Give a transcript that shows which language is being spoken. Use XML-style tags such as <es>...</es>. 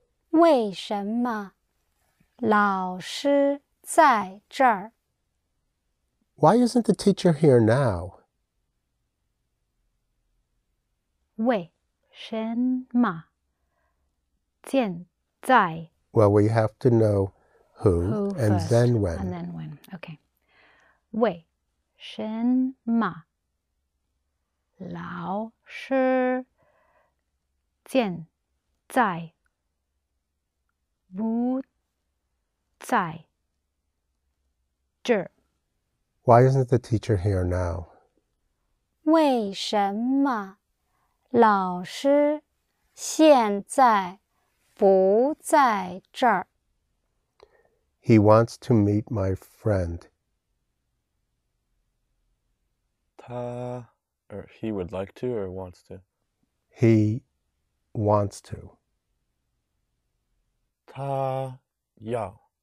<zh>为什么老师在这儿?</zh> <en>Why isn't the teacher here now?</en> <zh>为什么见在</zh> <en>Well, we have to know who and first, then when. And then when. Okay.</en> <zh>为什么老师现在不在这儿?</zh> <en>Why isn't the teacher here now?</en> <zh>为什么老师现在不在这儿。</zh> <en>He wants to meet my friend. 他, or he would like to, or wants to? He wants to.</en> <zh>他要。</zh>